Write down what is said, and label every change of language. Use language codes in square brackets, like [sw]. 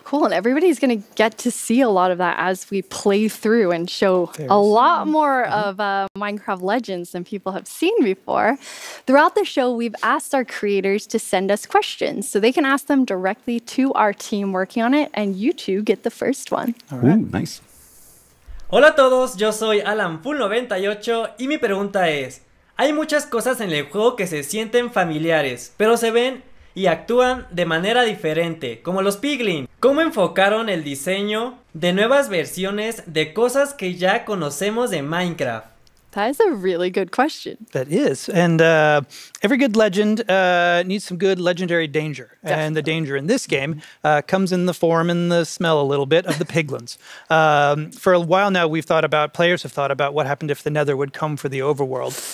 [en] Cool, and everybody's going to get to see a lot of that as we play through and show a lot more of Minecraft Legends than people have seen before. Throughout the show, we've asked our creators to send us questions, so they can ask them directly to our team working on it, and you two get the first one. All right. Ooh, nice. [es] Hola a todos, yo soy AlanFull98 y mi pregunta es, hay muchas cosas en el juego que se sienten familiares, pero se ven y actúan de manera diferente, como los piglins. ¿Cómo enfocaron el diseño de nuevas versiones de cosas que ya conocemos de Minecraft? [en] That is a really good question. That is. And every good legend needs some good legendary danger. Definitely. And the danger in this game comes in the form and the smell a little bit of the piglins. For a while now, we've thought about, players have thought about what happened if the Nether would come for the overworld.